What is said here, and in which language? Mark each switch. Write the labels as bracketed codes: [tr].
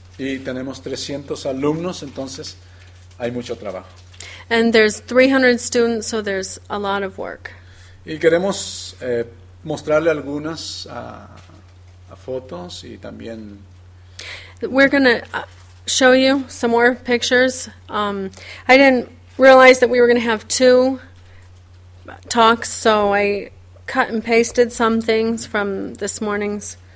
[es] Y tenemos 300 alumnos, entonces hay mucho trabajo. [en] And there's 300 students, so there's a lot of work. [es] Y queremos mostrarle algunas a fotos y también... [en] We're going to show you some more pictures. I didn't realize that we were going to have 2 talks, so I cut and pasted some things from this morning's...